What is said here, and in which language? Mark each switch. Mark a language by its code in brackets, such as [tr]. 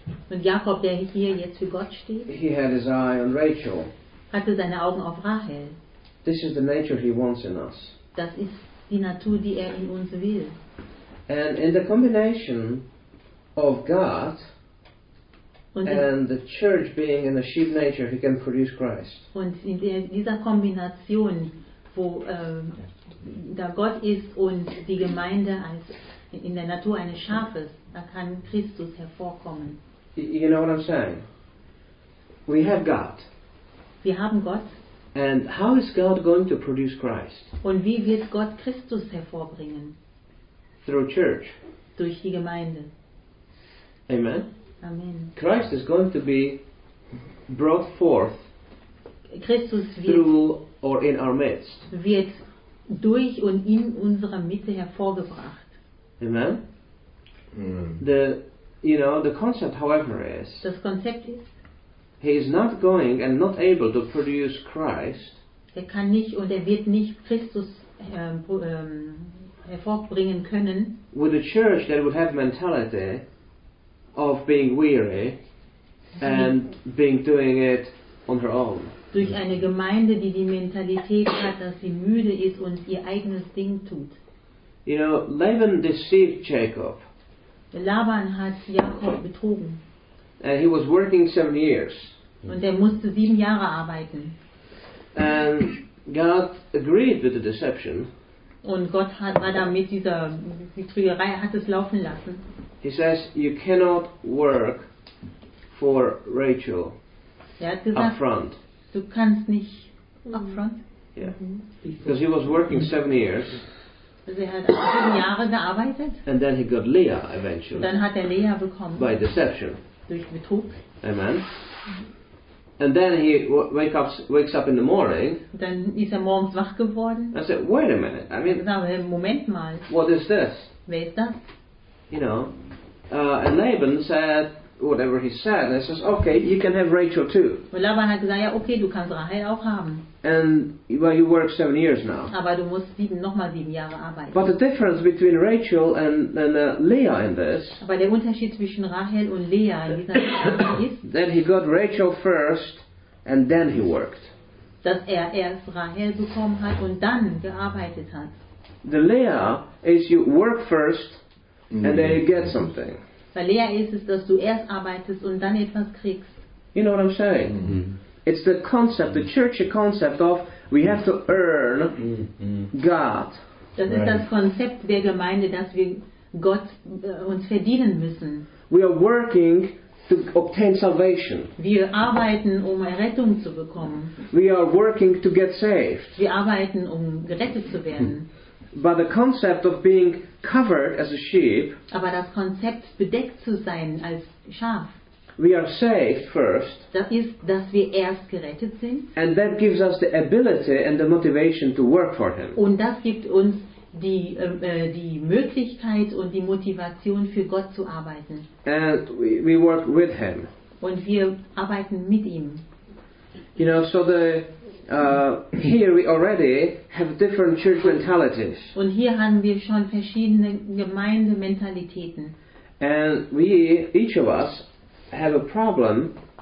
[de] Und Jakob, der hier jetzt für Gott steht. [en] He had his eye on Rachel. [de] Hatte seine Augen auf Rachel. [en] This is the nature he wants in us. [de] Das ist die Natur, die in uns will. [en] And in the combination of God. And the church being in a sheep nature, he can produce Christ. [de] Und in dieser Kombination, wo da Gott ist und die Gemeinde als in der Natur eines Schafes, da kann Christus hervorkommen. [en] You know what I'm saying? We have God. [de] Wir haben Gott. [en] And how is God going to produce Christ? [de] Und wie wird Gott Christus hervorbringen? [en] Through church. [de] Durch die Gemeinde. Amen. Amen. [en] Christ is going to be brought forth [de] Christus [en] through or in our midst. [de] Wird durch und in unserer Mitte hervorgebracht. [en] Amen. Amen. The concept, however, is [de] das Konzept ist, [en] he is not going and not able to produce Christ. [de] Er kann nicht und er wird nicht Christus hervorbringen können. [en] With a church that would have mentality of being weary and being doing it on her own. [de] Durch eine Gemeinde, die die Mentalität hat, dass sie müde ist und ihr eigenes Ding tut. [en] You know, Laban deceived Jacob. [de] Laban hat Jakob betrogen. [en] And he was working 7 years. [de] Und er musste 7 Jahre arbeiten. [en] And God agreed with the deception. [de] Und Gott hat Adam mit dieser Betrügerei hat es laufen lassen. [en] He says, you cannot work for Rachel. [de] Er hat gesagt, [en] upfront. [de] Du kannst nicht upfront. [en] Yeah. Because he was working 7 years. [de] Also er hat 7 Jahre gearbeitet. [en] And then he got Leah eventually. [de] Dann hat er Leah bekommen. [en] By deception. [de] Durch Betrug. Amen. [en] And then he wakes up in the morning. [de] Dann ist er morgens wach geworden. [en] I said, wait a minute. I mean, [de] Moment mal. [en] What is this? [de] Wer ist das? [en] You know, and Laban said whatever he said, and he says, okay, you can have Rachel too. [de] Und Laban hat gesagt, ja, okay, du kannst Rahel auch haben. [en] And well, you work 7 years now. [de] Aber du musst nochmal sieben Jahre arbeiten. [en] But the difference between Rachel and Leah in this. [de] Aber der Unterschied zwischen Rahel und Leah in dieser ist. [en] That he got Rachel first, and then he worked. [de] Dass er erst Rahel bekommen hat und dann gearbeitet hat. [en] The Leah is you work first, and then you get something. [de] Weil Leah ist es, dass du erst arbeitest und dann etwas kriegst. [en] You know what I'm saying? Mm-hmm. It's the concept, the church concept of we have to earn God. [de] Das ist das Konzept der Gemeinde, dass wir Gott uns verdienen müssen. [en] We are working to obtain salvation. [de] Wir arbeiten, um Errettung zu bekommen. [en] We are working to get saved. [de] Wir arbeiten, um gerettet zu werden. [en] But the concept of being covered as a sheep. [de] Aber das Konzept, bedeckt zu sein als Schaf. [en] We are saved first. [de] Das ist, dass wir erst gerettet sind. [en] And that gives us the ability and the motivation to work for Him. [de] Und das gibt uns die Möglichkeit und die Motivation für Gott zu arbeiten. [en] And we work with Him. [de] Und wir arbeiten mit ihm. [en] You know, so here we already have different church mentalities. [de] Und hier haben wir schon verschiedene Gemeindementalitäten. [en] And we, each of us, have a problem.